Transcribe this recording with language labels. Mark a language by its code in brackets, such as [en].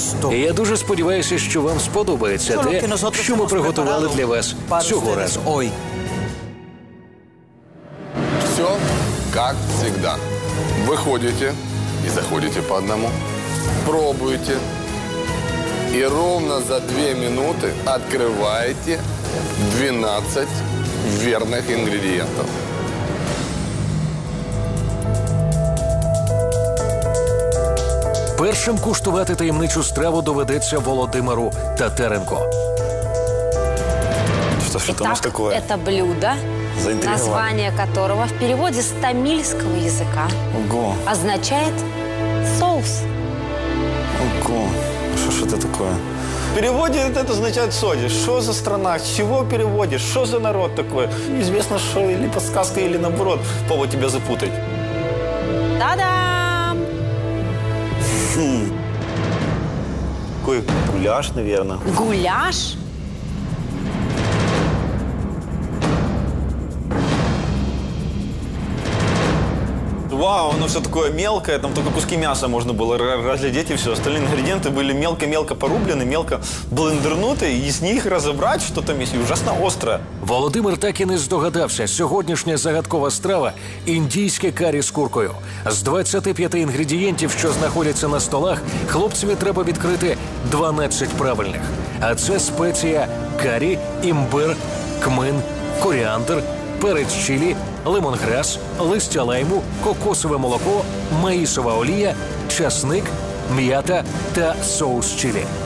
[uk] Я дуже сподіваюся, що вам сподобається те, що ми приготували для вас цього разу. Все, як завжди. Виходите і заходите по одному, пробуйте. І рівно за 2 хвилини відкриваєте 12 вірних інгредієнтів. Першим куштувати таємничу страву доведеться Володимиру Татаренко. [ru] Итак, это блюдо, название которого в переводе с тамильского языка означает соус. Ого, что ж это такое? В переводе это означает соди. Что за страна? Чего переводишь? Что за народ такой? Неизвестно, что или подсказка, или наоборот, повод тебя запутать. Да-да! Какой гуляш, наверное. Гуляш? Вау, оно все такое мелкое, там только куски мяса можно было разглядеть и все. Остальные ингредиенты были мелко-мелко порублены, мелко блендернуты, и с них разобрать что-то есть ужасно острое. [uk] Володимир так и не здогадався. Сьогоднішня загадкова страва – індійське карі з куркою. З 25 інгредієнтів, що знаходяться на столах, хлопцеві треба відкрити 12 правильних. А це спеція – карі, імбир, кмин, коріандр, перець чилі, лемонграс, листя лайму, кокосове молоко, маїсова олія, часник, м'ята та соус чилі.